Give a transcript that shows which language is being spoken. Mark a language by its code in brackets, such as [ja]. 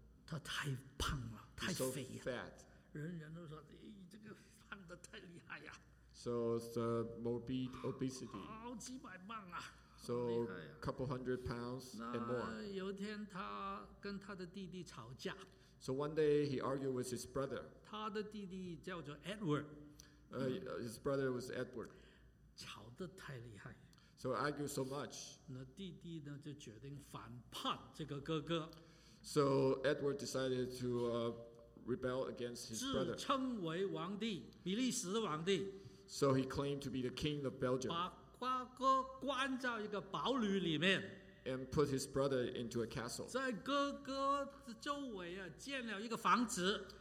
[zh] 他太胖了，太肥了。 [en] He's so fat. [zh] 人人都说，哎，这个胖得太厉害呀。 [en] So it's a morbid obesity. [zh] 好几百磅啊。 [en] So a couple hundred pounds and more. [zh] 那有一天他跟他的弟弟吵架。 [en] So one day he argued with his brother. [zh] 他的弟弟叫做 Edward. [en] His brother was Edward. [zh] 吵得太厉害。 [en] So argue so much. [zh] 那弟弟呢就决定反叛这个哥哥。 [en] So Edward decided to rebel against his brother. [zh] 自称为王帝，比利时王帝。 [en] So he claimed to be the king of Belgium. [zh] 把哥哥关在一个堡垒里面。 [en] And put his brother into a castle. [zh] 在哥哥周围啊建了一个房子。